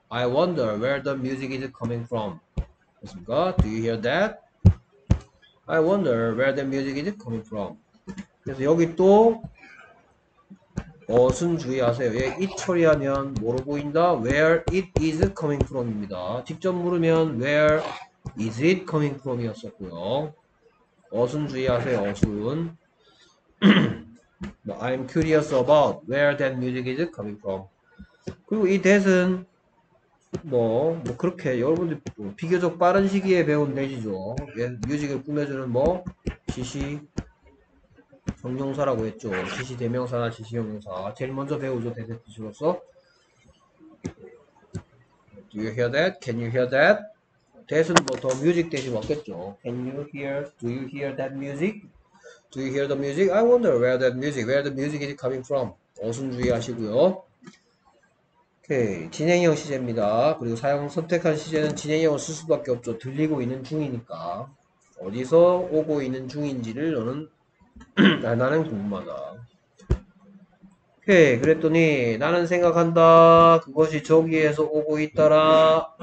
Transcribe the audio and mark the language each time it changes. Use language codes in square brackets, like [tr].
[en] I wonder where the music is coming from. [ko] 그렇습니까? [en] Do you hear that? I wonder where the music is coming from. [ko] 그래서 여기 또 어순 주의하세요. 얘 it 처리하면 뭐로 보인다? [en] Where it is coming from입니다. [ko] 직접 물으면 [en] where is it coming from이었었고요. [ko] 어순 주의하세요, 어순. [en] I'm curious about where that music is coming from. [ko] 그리고 이 that은, 뭐 그렇게 여러분들 비교적 빠른 시기에 배운 that이죠. 예, 뮤직을 꾸며주는 뭐, 시시 형용사라고 했죠. 시시 대명사나 시시 형용사. 제일 먼저 배우죠, that의 뜻으로서. [en] Do you hear that? Can you hear that? [ko] 대신 뭐더 뮤직 대신 왔겠죠. [en] Can you hear? Do you hear that music? Do you hear the music? I wonder where that music, where the music is coming from. [ko] 어순 주의하시고요. 오케이. 진행형 시제입니다. 그리고 사용 선택한 시제는 진행형을 쓸 수밖에 없죠. 들리고 있는 중이니까. 어디서 오고 있는 중인지를 너는, 나는 궁금하다. 오케이. 그랬더니, 나는 생각한다. 그것이 저기에서 오고 있다라.